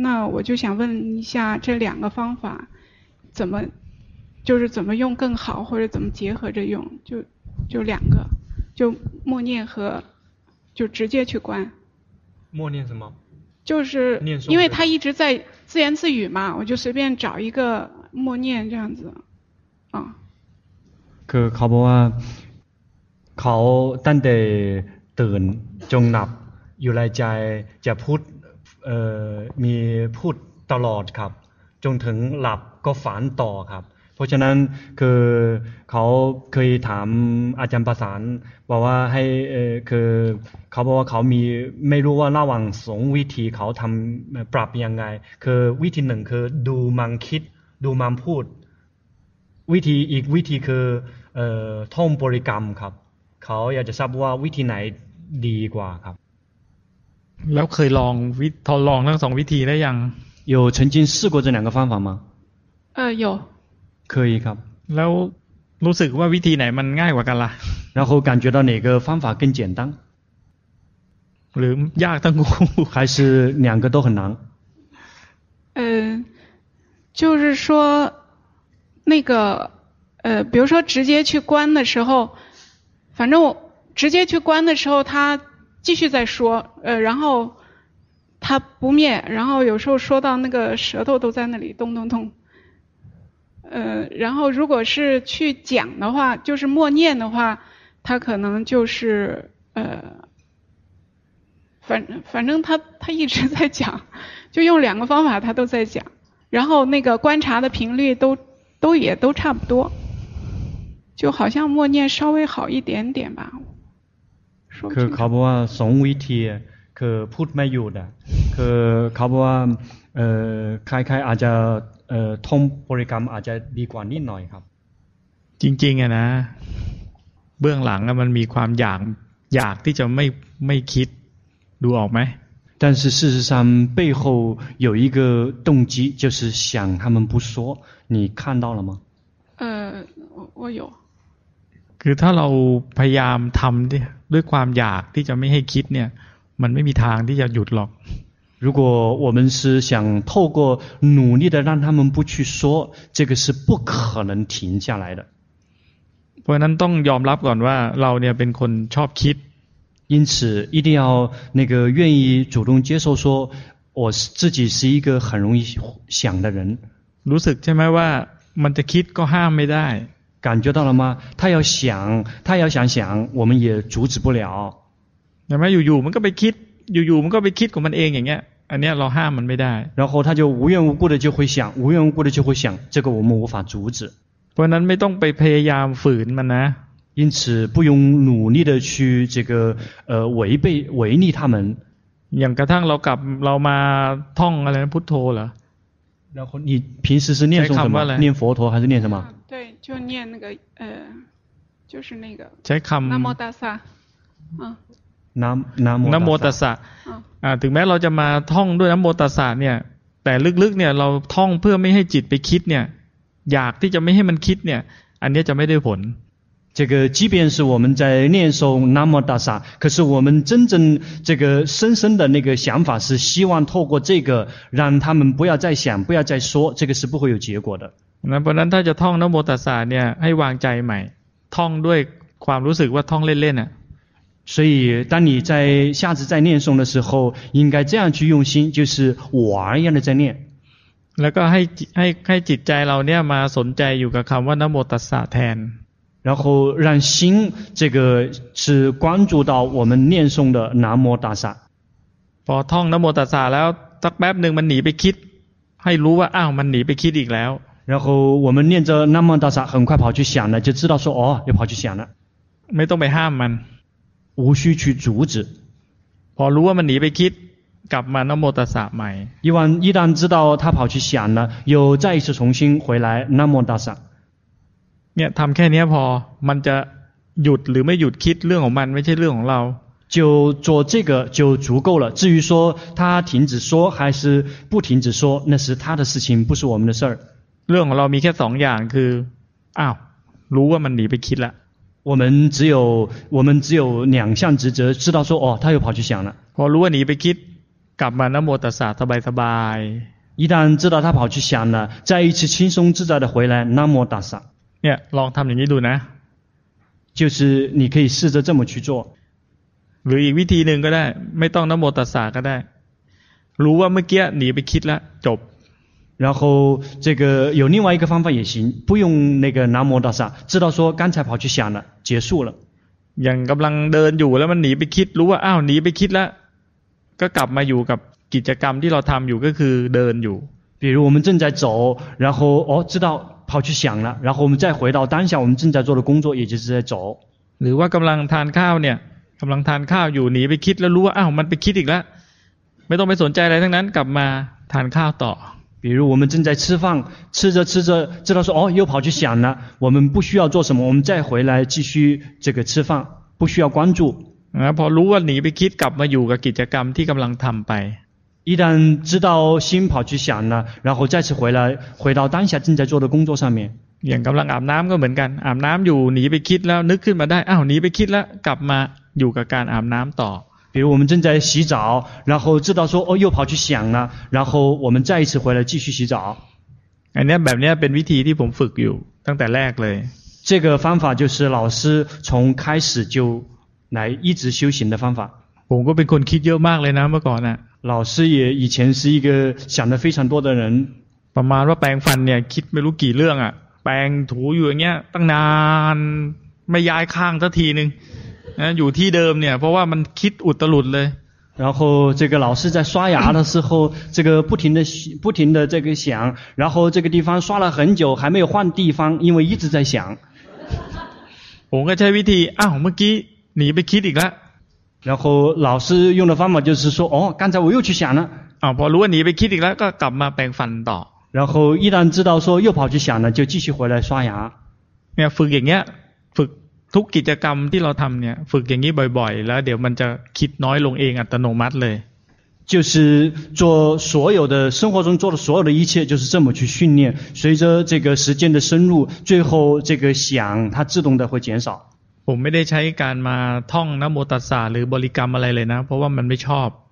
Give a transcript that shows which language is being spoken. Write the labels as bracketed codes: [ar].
[zh] 那我就想问一下，这两个方法怎么用更好，或者怎么结合着用？就两个，就默念和就直接去观。默念什么？就是因为他一直在自言自语嘛，我就随便找一个默念这样子。啊。 [th] คือเขาบอกว่าเขาตั้งแต่ตื่นจงหลับอยู่ในใจจะพูดมีพูดตลอดครับจนถึงหลับก็ฝันต่อครับเพราะฉะนั้นคือ เขาเคยถามอาจารย์ประสานบอกว่าให้คือเขาบอกว่าเขามีไม่รู้ว่าระหว่างสองวิธีเขาทำปรับยังไงคือวิธีหนึ่งคือดูมันคิดดูมันพูดวิธีอีกวิธีคือท่องบริกรรมครับเขาอยากจะทราบว่าวิธีไหนดีกว่าครับ แล้วเคยลองวิทดลองทั้งสองวิธีได้ยัง [zh] 有曾经试过这两个方法吗有可以 [th] ครับ แล้วรู้สึกว่าวิธีไหนมันง่ายกว่ากันล่ะ [zh] 然后感觉到哪个方法更简单 [th] หรือยากทั้งคู่ [zh] 还是两个都很难就是说那个比如说直接去关的时候反正我直接去关的时候他继续在说然后他不灭然后有时候说到那个舌头都在那里咚咚咚然后如果是去讲的话就是默念的话他可能就是反正他一直在讲就用两个方法他都在讲然后那个观察的频率都差不多就好像默念稍微好一点点吧 [th] คือเขาบอกว่าสองวิธีคือพูดไม่อยู่นะคือเขาบอกว่าคล้ายๆอาจจะท่องบริกรรมอาจจะดีกว่านิดหน่อยครับ จริงๆอะนะเบื้องหลังมันมีความอยากที่จะไม่คิดดูออกไหม [zh] 但是事实上背后有一个动机，就是想他们不说，你看到了吗？我有。 [th] คือถ้าเราพยายามทำด้วยความอยากที่จะไม่ให้คิดเนี่ยมันไม่มีทางที่จะหยุดหรอก [zh] 如果我们是想透过努力的让他们不去说，这个是不可能停下来的。 [th] เพราะนั้นต้องยอมรับก่อนว่าเราเนี่ยเป็นคนชอบคิด [zh] 因此一定要那个愿意主动接受说我自己是一个很容易想的人 [th] รู้สึกใช่ไหมว่ามันจะคิดก็ห้ามไม่ได้ [zh] 感觉到了吗？他要想，我们也阻止不了。有没有？有，我们可以 [th] คิด，有， [zh] 我们 [th] 可以คิด，我们เองอย่างเงี้ย，อันเนี้ยเราห้ามมันไม่ได้。 [zh] 然后他就无缘无故的就会想，无缘无故的就会想，这个我们无法阻止。 [th] เพราะนั้นไม่ต้องไปพยายามฝืนมันนะ。 [zh] 因此不用努力的去这个违逆他们。 [th] อย่างกระทั่งเรากลับเรามาท่องอะไรนะพุทโธเหรอ？ [zh] 然后你平时是念诵什么？念佛陀还是念什么？对，就念那个就是那个南无大萨，南无大萨， [th] ถึงแม้เราจะมาท่องด้วยน้ำโมตัสสะเนี่ยแต่ลึกๆเนี่ยเราท่องเพื่อไม่ให้จิตไปคิดเนี่ยอยากที่จะไม่ให้มันคิดเนี่ยอันนี้จะไม่ได้ผล [zh] 这个即便是我们在念诵南无大萨，可是我们真正这个深深的那个想法是希望透过这个让他们不要再想，不要再说，这个是不会有结果的。 [th] เพราะนั้นถ้าจะท่องนโมตัสสะเนี่ยให้วางใจใหม่ท่องด้วยความรู้สึกว่าท่องเล่นๆน่ะ [zh] 所以当你在下次再念诵的时候应该这样去用心就是玩一样的在念 [th] แล้วก็ให้จิตใจเราเนี่ยมาสนใจอยู่กับคำว่านโมตัสสะแทน [zh] 然后让心这个是关注到我们念诵的南无大萨 [th] พอท่องนโมตัสสะแล้วสักแป๊บนึงมันหนีไปคิดให้รู้ว่าอ้าวมันหนีไปคิดอีกแล้ว [zh] 然后我们念着南无大萨很快跑去想了就知道说哦又跑去想了 [th] ไม่ต้องไปห้ามมัน [zh] 无需去阻止 [th] พอรู้ว่ามันหนีไปคิดกลับมานโมตัสสะใหม่ [zh] 一旦知道他跑去想了又再一次重新回来南无大萨 [th] เนี่ยทำแค่เนี้ยพอมันจะหยุดหรือไม่หยุดคิดเรื่องของมันไม่ใช่เรื่องของเรา [zh] 就做这个就足够了至于说他停止说还是不停止说那是他的事情不是我们的事儿 [th] เรื่องของเรามีแค่สองอย่างคืออ้าวรู้ว่ามันหนีไปคิดละ [zh] 我们只有两项职责知道说哦他又跑去想了 [th] พอรู้ว่าหนีไปคิดกลับมานโมตัสสะสบายสบาย [zh] 一旦知道他跑去想了再一次轻松自在的回来นโมตัสสะ [th] เนี่ยลองทำอย่างนี้ดูนะ [zh] 就是你可以试着这么去做 [th] หรืออีกวิธีหนึ่งก็ได้ไม่ต้องนโมตัสสะก็ได้รู้ว่าเมื่อกี้หนีไปคิดละจบ [zh] 然后这个有另外一个方法也行不用那个南无大萨知道说刚才跑去想了结束了 [th] อย่างกำลังเดินอยู่แล้วมันหนีไปคิดรู้ว่าอ้าวหนีไปคิดละก็กลับมาอยู่กับกิจกรรมที่เราทำอยู่ก็คือเดินอยู่ [zh] 比如我们正在走然后哦知道跑去想了然后我们再回到当下我们正在做的工作也就是在走 [th] หรือว่ากำลังทานข้าวเนี่ยกำลังทานข้าวอยู่หนีไปคิดแล้วรู้ว่าอ้าวมันไปคิดอีกแล้วไม่ต้องไปสนใจอะไรทั้งนั้นกลับมาทานข้าวต่อ [zh] 比如我们正在吃饭吃着吃着知道说哦又跑去想了我们不需要做什么我们再回来继续这个吃饭不需要关注 [th] พอรู้ว่าหนีไปคิดกลับมาอยู่กับกิจกรรมที่กำลังทำไป [zh] 一旦知道心跑去想了然后再次回来回到当下正在做的工作上面 [th] อย่างกำลังอาบน้ำก็เหมือนกันอาบน้ำอยู่หนีไปคิดแล้วนึกขึ้นมาได้อ้าวหนีไปคิดแล้วกลับมาอยู่กับการอาบน้ำต่อ [zh] 比如我们正在洗澡然后知道说哦又跑去想了然后我们再一次回来继续洗澡 [th] อันนี้แบบนี้เป็นวิธีที่ผมฝึกอยู่ตั้งแต่แรกเลย [zh] 这个方法就是老师从开始就来一直修行的方法 [th] ผมก็เป็นคนคิดเยอะมากเลยนะเมื่อก่อนอะ [zh] 老师也以前是一个想的非常多的人 [th] ประมาณว่าแปรงฟันเนี่ยคิดไม่รู้กี่เรื่องอะแปรงถูอยู่อย่างเงี้ยตั้งนานไม่ย้ายข้างสักทีนึงนะอยู่ที่เดิมเนี่ยเพราะว่ามันคิดอุตลุดเลย [zh] 然后这个老师在刷牙的时候这个不停的这个想然后这个地方刷了很久还没有换地方因为一直在想 [th] ผมก็ใช้วิธีอ้าวเมื่อกี้หนีไปคิดอีกแล้ว [zh] 然后老师用的方法就是说哦刚才我又去想了 [th] พอรู้ว่าหนีไปคิดอีกแล้วก็กลับมาแปรงฟันต่อ [zh] 然后一旦知道说又跑去想了就继续回来刷牙 [th] เนี่ยฝึกอย่างเงี้ยฝึกทุกกิจกรรมที่เราทำเนี่ยฝึกอย่างนี้บ่อยๆแล้วเดี๋ยวมันจะคิดน้อยลงเองอัตโนมัติเลย [zh] 就是做所有的生活中做的所有的一切就是这么去训练，随着这个时间的深入，最后这个想它自动的会减少。 [th] ผมไม่ได้ใช้การมาท่องนะโมตัสสะหรือบริกรรมอะไรเลยนะเพราะว่ามันไม่ชอบ